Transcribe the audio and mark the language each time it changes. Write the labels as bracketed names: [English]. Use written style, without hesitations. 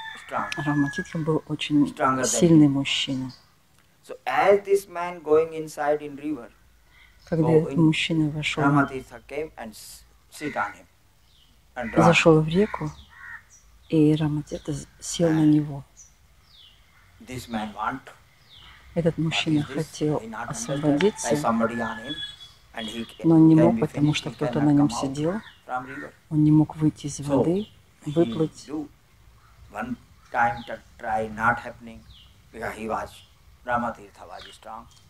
[Russian] Рамачитра был очень сильный мужчина. [English] So as this man going inside in river, [Russian] когда этот мужчина вошел, [English] Рамачитра came and sit on him. [Russian] Зашел в реку, и Рамачитра сел на него. [English] This man want. [Russian] Этот мужчина хотел освободиться, [English] somebody on him, and he can, [Russian] но не мог, потому что кто-то на нем сидел. Он не мог выйти из воды, [English] so, [Russian] выплыть. [English] One time to try not happening, because he was Ramatirtha was strong.